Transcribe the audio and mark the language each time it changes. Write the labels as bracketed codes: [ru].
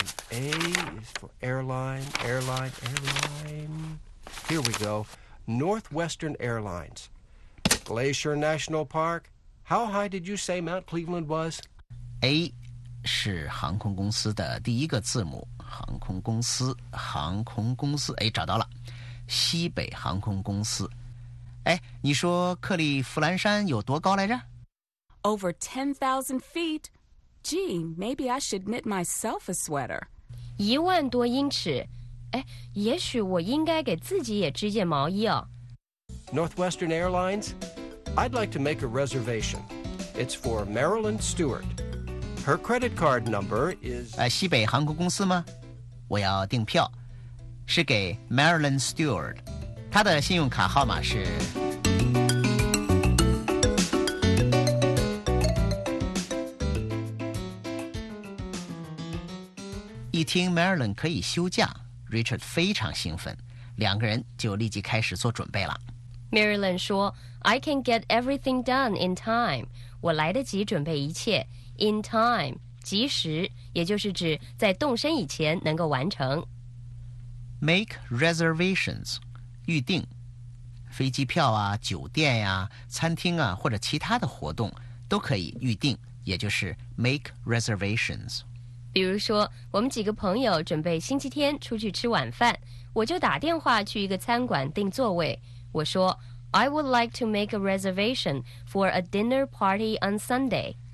[en] A is for airline, airline, airline. Here we go. Northwestern Airlines. Glacier National Park. How high did you say Mount Cleveland was? A. [zh] 是航空公司的第一个字母，航空公司，航空公司，哎，找到了，西北航空公司。哎，你说克利夫兰山有多高来着？ [en] Over 10,000 feet. Gee, maybe I should knit myself a sweater. [zh] 一万多英尺，哎，也许我应该给自己也织件毛衣哦。 [en] Northwestern Airlines, I'd like to make a reservation. It's for Marilyn Stewart. Her credit card number is... [zh] 西北航空公司吗？我要订票，是给 Marilyn Stewart。她的信用卡号码是... 一听 Marilyn 可以休假，Richard 非常兴奋，两个人就立即开始做准备了。 [en] Marilyn 说，I can get everything done in time. [zh] 我来得及准备一切。 [en] In time, [zh] 及时，也就是指在动身以前能够完成。 [en] Make reservations, [zh] 预定。飞机票啊，酒店呀，餐厅啊，或者其他的活动都可以预定，也就是 [en] make reservations。 [zh] 比如说，我们几个朋友准备星期天出去吃晚饭，我就打电话去一个餐馆订座位。我说 [en] ,I would like to make a reservation for a dinner party on Sunday.